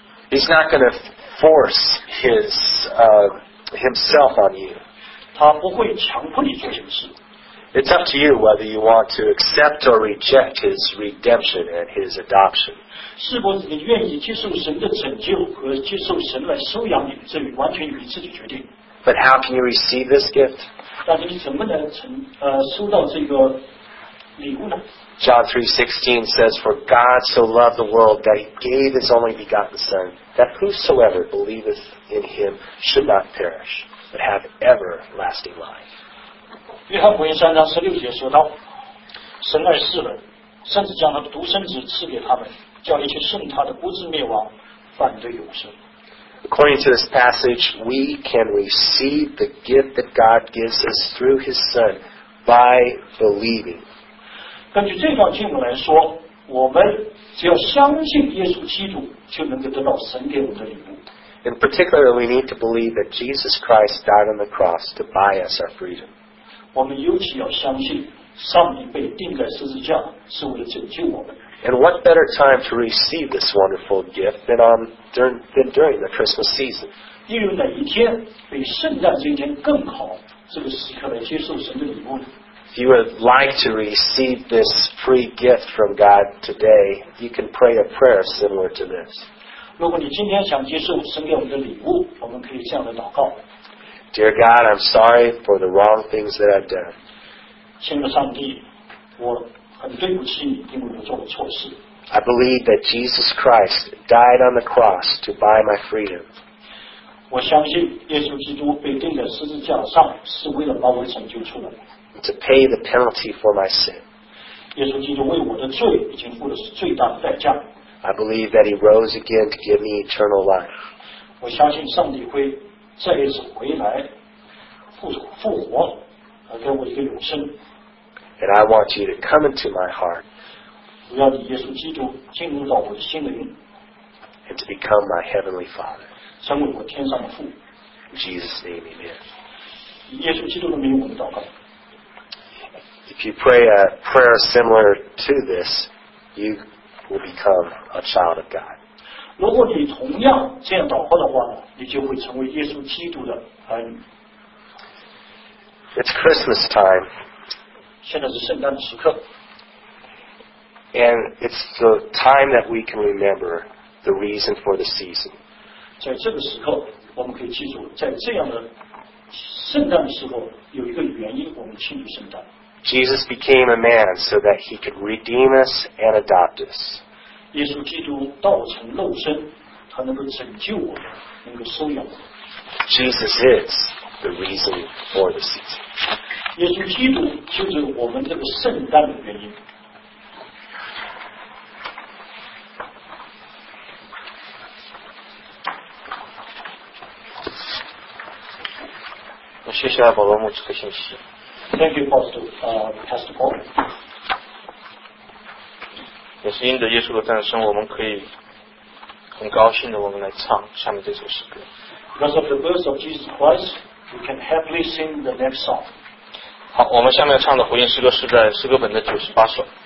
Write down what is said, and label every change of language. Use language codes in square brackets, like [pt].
[en] He's not going to force himself on you. [zh] 他不会强迫你做什么事。 [en] It's up to you whether you want to accept or reject his redemption and his adoption. [zh] 是不是你愿意接受神的拯救和接受神来收养你，这完全由你自己决定。 [en] But how can you receive this gift? [zh] 但是你怎么能收到这个礼物呢？ [en] John 3:16 says, For God so loved the world that he gave his only begotten Son, that whosoever believeth in him should not perish, but have everlasting life. [zh] 约翰福音三章十六节说道，神爱世人，甚至将他的独生子赐给他们，叫一切信他的不至灭亡，反得永生。 [en] According to this passage, we can receive the gift that God gives us through his Son by believing. [zh] 根据这段经文来说，我们只要相信耶稣基督，就能够得到神给我们的礼物。 [en] In particular, we need to believe that Jesus Christ died on the cross to buy us our freedom. [zh] 我们尤其要相信，上帝被钉在十字架是为了拯救我们。 [en] And what better time to receive this wonderful gift than during the Christmas season? [zh] 因为哪一天比圣诞这一天更好，这个时刻来接受神的礼物呢？ [en] If you would like to receive this free gift from God today, you can pray a prayer similar to this. [zh] 如果你今天想接受神给我们的礼物，我们可以这样的祷告。 [en] Dear God, I'm sorry for the wrong things that I've done. [zh] 亲爱的上帝，我很对不起你，因为我做了错事。 [en] I believe that Jesus Christ died on the cross to buy my freedom. [zh] 我相信耶稣基督被钉在十字架上是为了把我拯救出来。 [en] To pay the penalty for my sin. [zh] 耶稣基督为我的罪已经付了最大的代价。 [en] I believe that he rose again to give me eternal life. [zh] 我相信上帝会再一次回来复活而给我一个永生。 [en] And I want you to come into my heart. [zh] 我要你耶稣基督进入到我的心灵。 [en] And to become my heavenly father. [zh] 成为我天上的父。 [en] In Jesus' name, amen. [zh] 以耶稣基督的名我们祷告。 [en] If you pray a prayer similar to this, you will become a child of God. [zh] 如果你同样这样祷告的话，你就会成为耶稣基督的儿女。 [en] It's Christmas time. [zh] 现在是圣诞的时刻。 [en] And it's the time that we can remember the reason for the season. [zh] 在这个时刻，我们可以记住，在这样的圣诞的时候，有一个原因我们庆祝圣诞。 [en] Jesus became a man so that he could redeem us and adopt us. [zh] 耶稣基督道成肉身，他能够拯救我们，能够收养我们。 [en] Jesus is the reason for the season. [zh] 耶稣基督就是我们这个圣诞的原因。我谢谢保罗牧师的信息。 [en] Thank you, Pastor Paul. [zh] 也是因着耶稣的诞生，我们可以很高兴的，我们来唱下面这首诗歌。 [en] Because of the birth of Jesus Christ, we can happily sing the next song. [zh] 好，我们下面唱的回应诗歌是在诗歌本的98首。